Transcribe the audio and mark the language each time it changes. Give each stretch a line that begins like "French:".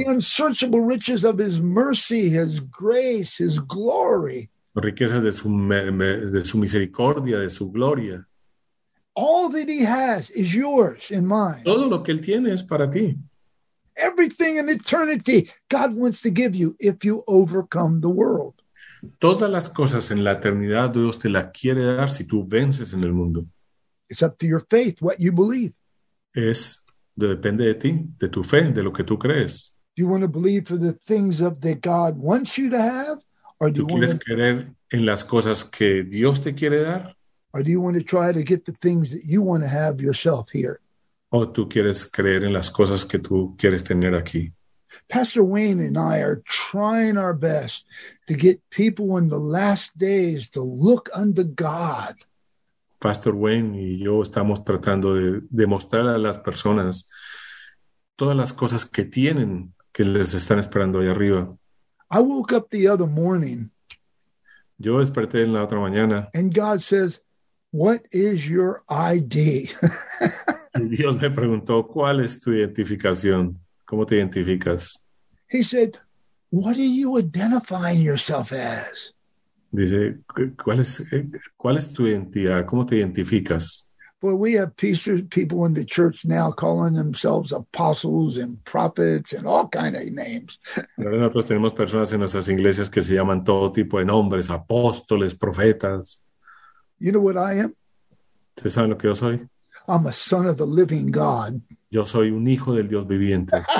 English: The unsearchable riches of his mercy, his grace, his glory.
Spanish: Riquezas de su misericordia, de su gloria.
English: All that he has is yours and mine.
Spanish: Todo lo que él tiene es para ti.
English: Everything in eternity God wants to give you if you overcome the world.
Spanish: Todas las cosas en la eternidad Dios te las quiere dar si tú vences en el mundo.
English: It's up to your faith what you believe.
Spanish: Depende de ti, de tu fe, de lo que tú crees.
English: Do you want to believe for the things that God wants you to have, or do you want to
Spanish: creer en las cosas que Dios te quiere dar?
English: Or do you want to try to get the things that you want to have yourself here?
Spanish: ¿O tú quieres creer en las cosas que tú quieres tener aquí?
English: Pastor Wayne and I are trying our best to get people in the last days to look unto God.
Spanish: Pastor Wayne y yo estamos tratando de mostrar a las personas todas las cosas que tienen que les están esperando allá arriba.
English: I woke up the other morning.
Spanish: Yo desperté en la otra mañana.
English: And God says, "What is your ID?"
Spanish: Dios me preguntó, ¿cuál es tu identificación? ¿Cómo te identificas?
English: He said, what are you identifying yourself as?
Spanish: Dice, ¿cuál es tu identidad? ¿Cómo te identificas?
English: Well, we have people in the church now calling themselves apostles and prophets and all kinds of names.
Spanish: Nosotros tenemos personas en nuestras iglesias que se llaman todo tipo de nombres, apóstoles, profetas.
English: You know what I am?
Spanish: ¿Ustedes saben lo que yo soy?
English: I'm a son of the living God.
Spanish: Yo soy un hijo del Dios viviente.